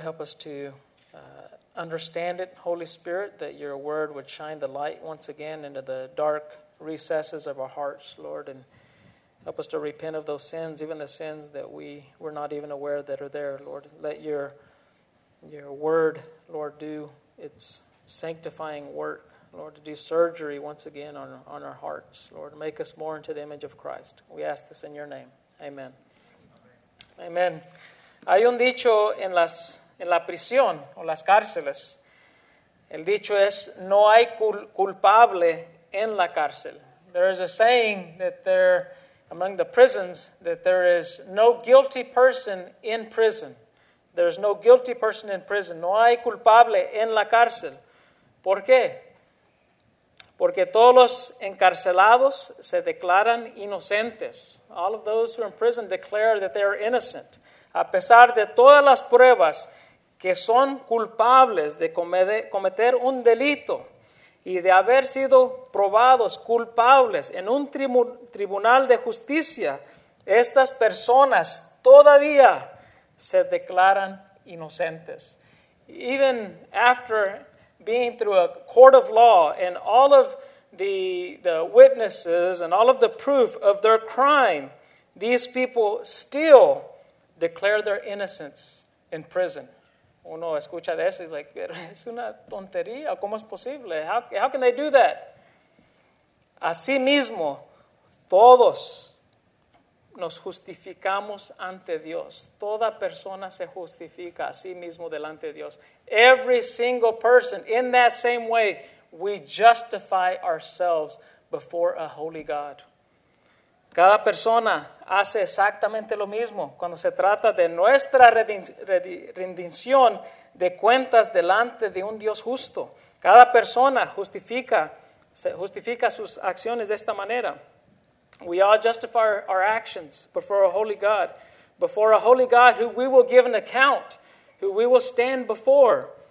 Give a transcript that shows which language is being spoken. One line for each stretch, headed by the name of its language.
English: Help us to understand it, Holy Spirit, that Your word would shine the light once again into the dark recesses of our hearts, Lord, and help us to repent of those sins, even the sins that we were not even aware that are there, Lord. Let Your word, Lord, do its sanctifying work, Lord, to do surgery once again on our hearts, Lord. Make us more into the image of Christ. We ask this in Your name. Amen. Amen. Amen.
Spanish: Hay un dicho en la prisión o las cárceles. El dicho es, no hay culpable en la cárcel.
English: There is a saying that there, among the prisons, that there is no guilty person in prison. There is no guilty person in prison.
Spanish: No hay culpable en la cárcel. ¿Por qué? Porque todos los encarcelados se declaran inocentes.
English: All of those who are in prison declare that they are innocent.
Spanish: A pesar de todas las pruebas que son culpables de cometer un delito y de haber sido probados culpables en un tribunal de justicia, estas personas todavía se declaran inocentes.
English: Even after being through a court of law and all of the witnesses and all of the proof of their crime, these people still declare their innocence in prison.
Spanish: Uno escucha de eso y es like, pero es una tontería. ¿Cómo es posible?
English: How can they do that?
Spanish: Asimismo, todos nos justificamos ante Dios. Toda persona se justifica a sí mismo delante de Dios.
English: Every single person, in that same way, we justify ourselves before a holy God.
Spanish: Cada persona hace exactamente lo mismo cuando se trata de nuestra rendición de cuentas delante de un Dios justo. Cada persona justifica sus acciones de esta manera.
English: We all justify our actions before a holy God. Before a holy God who we will give an account, who we will stand before.